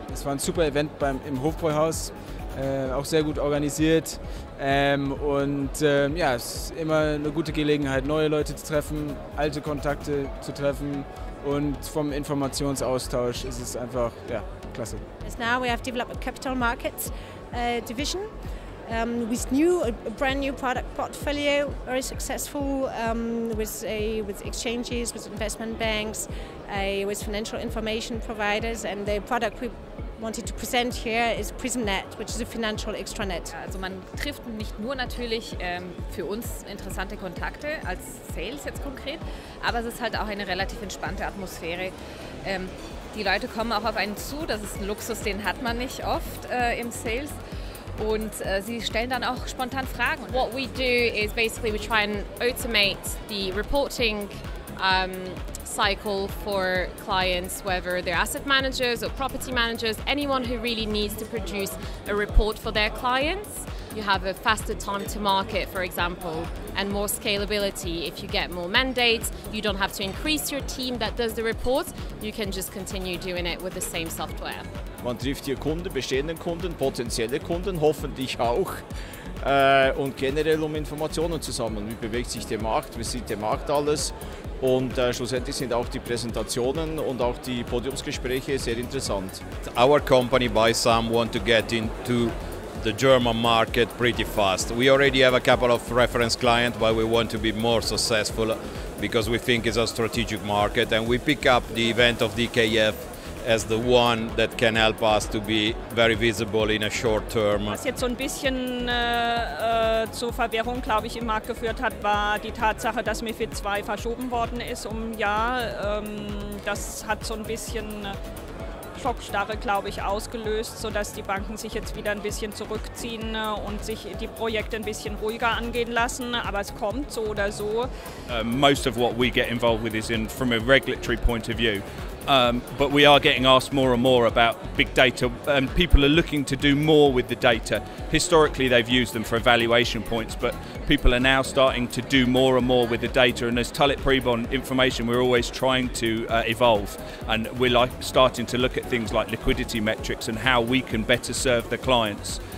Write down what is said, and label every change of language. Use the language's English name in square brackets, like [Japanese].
[German] Es war ein super Event im Hofbräuhaus, auch sehr gut organisiert. Und es ist immer eine gute Gelegenheit, neue Leute zu treffen, alte Kontakte zu treffen und vom Informationsaustausch ist es einfach, ja, klasse. [English] Now we have developed a capital markets division with new, a brand new product portfolio, very successful with exchanges, with investment banks, with financial information providers, and the product we wanted to present here is PrismNet, which is a financial extranet. [German] Also man trifft nicht nur natürlich für uns interessante Kontakte als Sales jetzt konkret, aber es ist halt auch eine relativ entspannte Atmosphäre. Die Leute kommen auch auf einen zu, das ist ein Luxus, den hat man nicht oft im Sales. Und sie stellen dann auch spontan Fragen. [English] What we do is basically we try and automate the reporting cycle for clients, whether they're asset managers or property managers, anyone who really needs to produce a report for their clients. You have a faster time to market, for example, and more scalability. If you get more mandates, you don't have to increase your team that does the reports. You can just continue doing it with the same software. [German] Man trifft hier Kunden, bestehenden Kunden, potenzielle Kunden, hoffentlich auch. Und generell um Informationen zu sammeln. Wie bewegt sich der Markt? Wie sieht der Markt alles? Und schlussendlich sind auch die Präsentationen und auch die Podiumsgespräche sehr interessant. [English] Our company by some want to get into the German market pretty fast. We already have a couple of reference clients, but we want to be more successful because we think it's a strategic market, and we pick up the event of DKF as the one that can help us to be very visible in a short term. [German] Was jetzt so ein bisschen zur Verwirrung, glaube ich, im Markt geführt hat, war die Tatsache, dass MiFID 2 verschoben worden ist um ein Jahr. Das hat so ein bisschen Schockstarre, glaube ich, ausgelöst, sodass die Banken sich jetzt wieder ein bisschen zurückziehen und sich die Projekte ein bisschen ruhiger angehen lassen, aber es kommt so oder so. [English] Most of what we get involved with is in from a regulatory point of view, but we are getting asked more and more about big data, and people are looking to do more with the data. Historically they've used them for evaluation points, but people are now starting to do more and more with the data, and as Tullett Prebon information we're always trying to evolve, and we're like starting to look at things like liquidity metrics and how we can better serve the clients.